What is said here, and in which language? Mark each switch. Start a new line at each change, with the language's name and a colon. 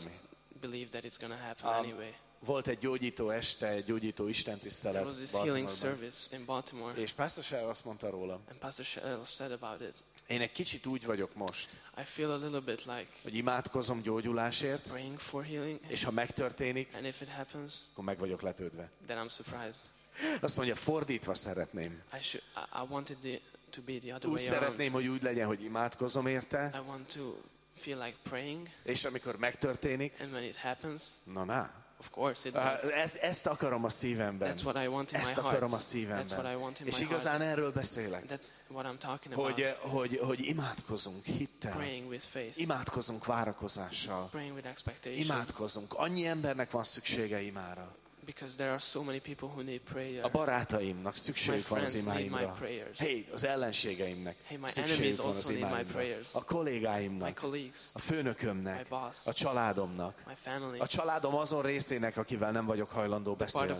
English: Do we just not believe that it's gonna happen anyway?
Hungarian: Volt egy gyógyító este, egy gyógyító istentisztelet Baltimore. És Pastor Shell azt mondta róla.
English: And Pastor Shell said about it.
Hungarian: Én egy kicsit úgy vagyok most,
English: I feel a little bit like,
Hungarian: hogy imádkozom gyógyulásért,
English: praying for healing,
Hungarian: és ha megtörténik,
English: and if it happens,
Hungarian: akkor meg vagyok lepődve.
English: Then I'm surprised.
Hungarian: Azt mondja, fordítva szeretném.
English: I wanted the, to be the other
Hungarian: úgy
English: way
Hungarian: szeretném,
English: around.
Hungarian: Hogy úgy legyen, hogy imádkozom érte,
English: I want to feel like praying,
Hungarian: és amikor megtörténik,
English: and when it happens, na-na. Of course it does.
Hungarian: Ezt akarom a szívemben.
English: That's what I want in
Hungarian: ezt
English: my heart.
Hungarian: Akarom a szívemben.
English: That's what I want in
Hungarian: és
English: my
Hungarian: igazán
English: heart.
Hungarian: Erről beszélek.
English: That's what I'm talking about.
Hungarian: Hogy imádkozunk hittel.
English: Praying with faith.
Hungarian: Imádkozunk várakozással.
English: Praying with expectation.
Hungarian: Imádkozunk. Annyi embernek van szüksége imára.
English: Because there are so many people who need prayer.
Hungarian: A barátaimnak szükségük van az imáimra.
English: My friends need my prayers.
Hungarian: Hey, az ellenségeimnek szükségük van az imáimra. A kollégáimnak,
English: my colleagues,
Hungarian: a főnökömnek,
English: my boss,
Hungarian: a családomnak,
English: my family,
Hungarian: a családom azon részének, akivel nem vagyok hajlandó beszélni.